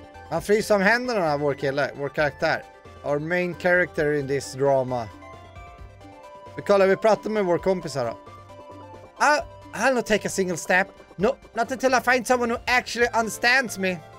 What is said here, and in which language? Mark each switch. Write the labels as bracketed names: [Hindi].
[Swedish] Han fryser om händerna, vår kille, vår karaktär. [English] Our main character in this drama. [Swedish] Vi kollar, vi pratar med vår kompis här då. [English] I'll not take a single step. No, not until I find someone who actually understands me.